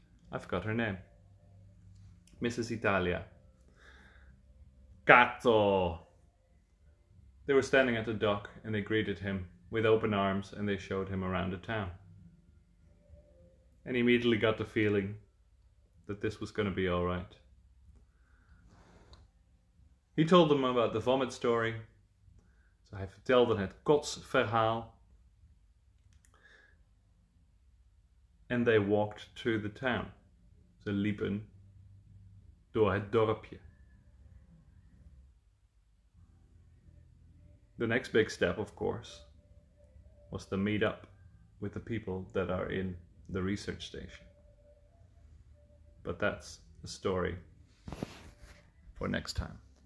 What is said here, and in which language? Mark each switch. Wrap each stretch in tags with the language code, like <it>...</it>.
<en>I forgot her name. Mrs. Italia. Cazzo! They were standing at the dock and they greeted him with open arms and they showed him around the town. And he immediately got the feeling that this was going to be all right. He told them about the vomit story. So</en> <nl>hij vertelde het kotsverhaal.</nl> <en>And they walked to the town.</en> <nl>Ze liepen door het dorpje.</nl> <en>The next big step, of course, was the meet up with the people that are in the research station. But that's a story for next time.</en>